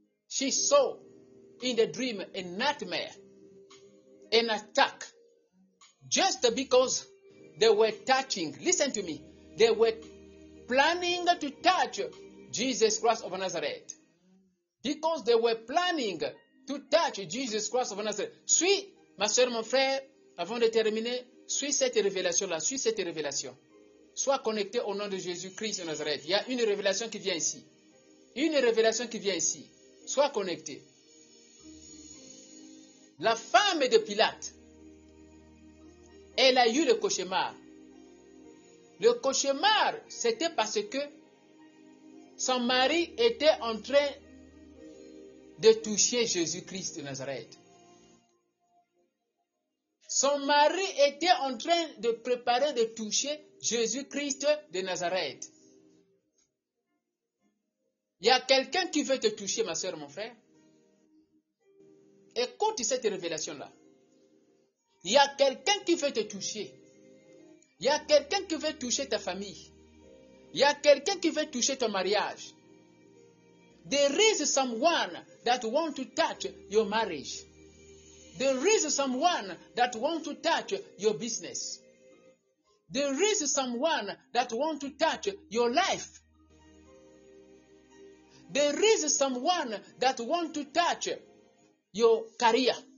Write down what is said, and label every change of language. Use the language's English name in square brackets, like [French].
[English] She saw in the dream a nightmare, an attack, just because they were touching. Listen to me. They were planning to touch Jesus Christ of Nazareth. Because they were planning to touch Jesus Christ of Nazareth. [French] Suis, ma soeur, mon frère, avant de terminer, suis cette révélation-là, suis cette révélation. Sois connecté au nom de Jésus Christ de Nazareth. Il y a une révélation qui vient ici. Une révélation qui vient ici. Sois connecté. La femme de Pilate, elle a eu le cauchemar. Le cauchemar, c'était parce que son mari était en train de toucher Jésus-Christ de Nazareth. Son mari était en train de préparer de toucher Jésus-Christ de Nazareth. Il y a quelqu'un qui veut te toucher, ma soeur, mon frère. Écoute cette révélation-là. Il y a quelqu'un qui veut te toucher. Il y a quelqu'un qui veut toucher ta famille. Il y a quelqu'un qui veut toucher ton mariage. [English] There is someone that wants to touch your marriage. There is someone that wants to touch your business. There is someone that wants to touch your life. There is someone that wants to touch your career.